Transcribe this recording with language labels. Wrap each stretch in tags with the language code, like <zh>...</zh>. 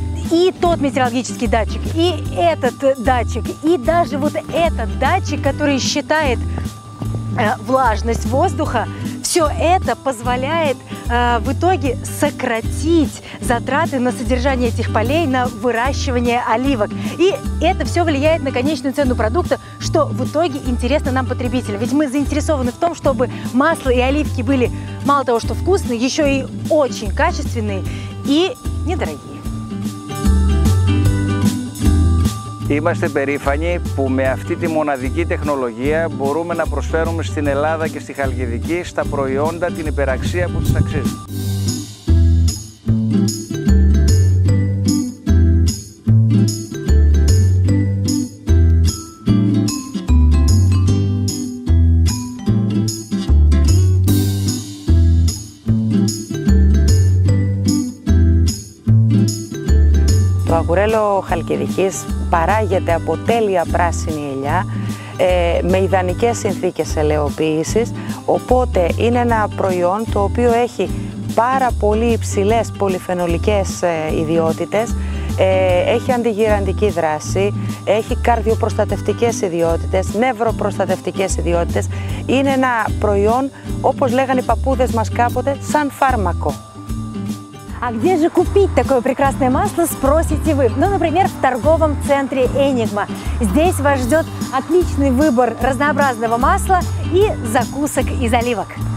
<ru>И тот метеорологический датчик, и этот датчик, и даже вот этот датчик, который считает влажность воздуха, все это позволяет в итоге сократить затраты на содержание этих полей, на выращивание оливок. И это все влияет на конечную цену продукта, что в итоге интересно нам, потребителям. Ведь мы заинтересованы в том, чтобы масло и оливки были мало того, что вкусные, еще и очень качественные и недорогие.</ru> <el>Είμαστε περήφανοι που με αυτή τη μοναδική τεχνολογία μπορούμε να προσφέρουμε στην Ελλάδα και στη Χαλκιδική στα προϊόντα την υπεραξία που τους αξίζει. Αγουρέλο Χαλκιδικής παράγεται από τέλεια πράσινη ελιά με ιδανικές συνθήκες ελαιοποίησης, οπότε είναι ένα προϊόν το οποίο έχει πάρα πολύ υψηλές πολυφαινολικές ιδιότητες, έχει αντιγυραντική δράση, έχει καρδιοπροστατευτικές ιδιότητες, νευροπροστατευτικές ιδιότητες. Είναι ένα προϊόν, όπως λέγανε οι παππούδες μας κάποτε, σαν φάρμακο.</el> <ru>А где же купить такое прекрасное масло, спросите вы. Ну, например, в торговом центре «Энигма». Здесь вас ждет отличный выбор разнообразного масла и закусок из оливок.</ru>